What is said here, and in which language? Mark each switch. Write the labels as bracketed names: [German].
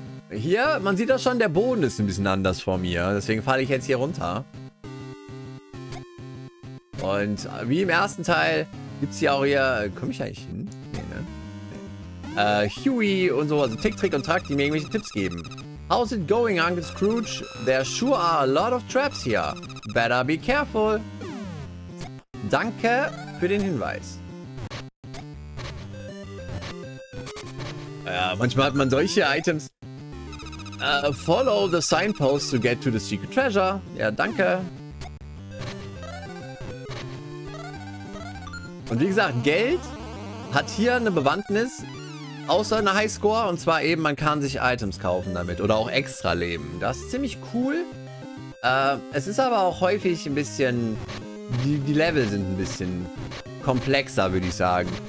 [German] Hier, man sieht das schon, der Boden ist ein bisschen anders vor mir. Deswegen falle ich jetzt hier runter. Und wie im ersten Teil gibt es hier auch hier... Komme ich eigentlich hin? Nee, ne? Huey und so, also Tick, Trick und Track, die mir irgendwelche Tipps geben. [English] How's it going, Uncle Scrooge? There sure are a lot of traps here. Better be careful. [German] Danke für den Hinweis. Ja, manchmal hat man solche Items. [English] Follow the signpost to get to the secret treasure. [German] Ja, danke. Und wie gesagt, Geld hat hier eine Bewandtnis. Außer eine Highscore, und zwar eben, man kann sich Items kaufen damit oder auch extra Leben. Das ist ziemlich cool. Es ist aber auch häufig ein bisschen, die Level sind ein bisschen komplexer, würde ich sagen.